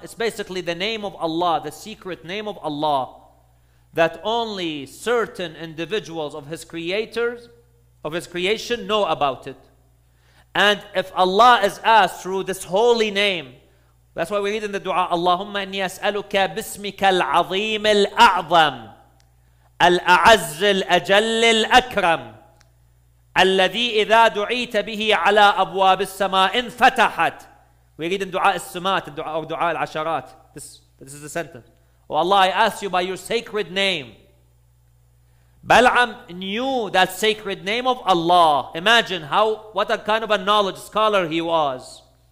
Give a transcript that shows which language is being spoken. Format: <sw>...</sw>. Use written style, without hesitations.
<en>It's basically the name of Allah, the secret name of Allah, that only certain individuals of his creators, of his creation, know about it. And if Allah is asked through this holy name, that's why we read in the dua,</en> <ar>Allahumma inni as'aluka bismika al-azim al-a'zam. الأعز الأجل الأكرم الذي إذا دعيت به على أبواب السماء انفتحت.</ar> <en>We read in دعاء السمات or دعاء العشرات. This is the sentence. Oh Allah, I ask you by your sacred name. Bal'am knew that sacred name of Allah. Imagine how, what a kind of a knowledge scholar he was.</en>